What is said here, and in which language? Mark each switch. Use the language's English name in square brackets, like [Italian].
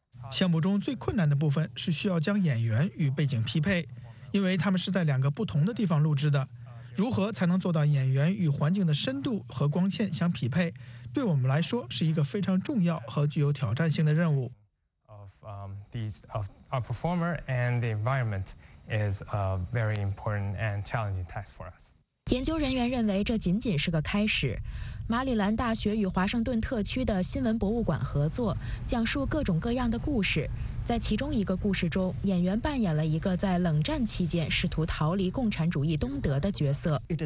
[Chinese] 项目中最困难的部分是需要将演员与背景匹配，因为他们是在两个不同的地方录制的。如何才能做到演员与环境的深度和光线相匹配，对我们来说是一个非常重要和具有挑战性的任务。 [English] Our performer and the environment is a very important and challenging task for us. [Chinese] 研究人员认为这仅仅是个开始。马里兰大学与华盛顿特区的新闻博物馆合作，讲述各种各样的故事。在其中一个故事中，演员扮演了一个在冷战期间试图逃离共产主义东德的角色。